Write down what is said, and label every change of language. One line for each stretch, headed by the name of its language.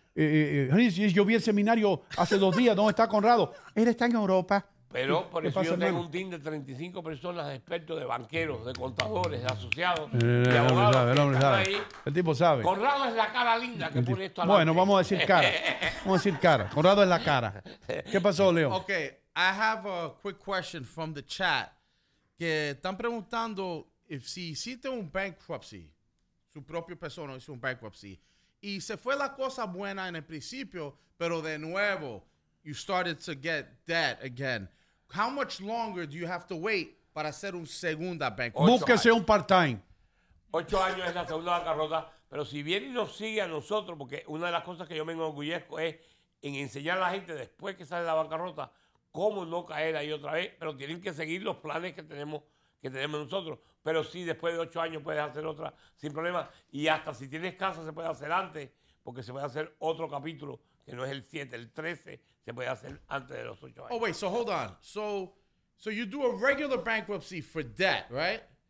Spanish: Yo vi el seminario hace dos días. ¿Dónde está Conrado? Él está en Europa. Pero por eso yo tengo un team de 35 personas, de expertos, de banqueros, de contadores, de asociados, de abogados. El tipo sabe. Conrado es la cara linda que pone esto a la. Bueno, vamos a decir cara. Vamos a decir cara. Conrado es la cara. ¿Qué pasó, Leo?
English: Ok, I have a quick question from the chat.
Spanish: Que están preguntando if si hiciste un bankruptcy, su propio persona hizo un bankruptcy, y se fue la cosa buena en el principio, pero de nuevo,
English: you started to get debt again. How much longer do you have to wait
Spanish: para hacer un segunda
English: bankruptcy?
Spanish: Búsquese un part-time. 8 años es la segunda bancarrota, pero si viene y nos sigue a nosotros, porque una de las cosas que yo me enorgullezco es en enseñar a la gente después que sale la bancarrota cómo no caer ahí otra vez, pero tienen que seguir los planes que tenemos nosotros. Pero sí, después de 8 años puedes hacer otra sin problema. Y hasta si tienes casa se puede hacer antes, porque se puede hacer otro capítulo, que no es el 7, el 13, se puede hacer antes de los 8 años.
English: Oh, wait, so hold on. So you do a regular bankruptcy for debt, right?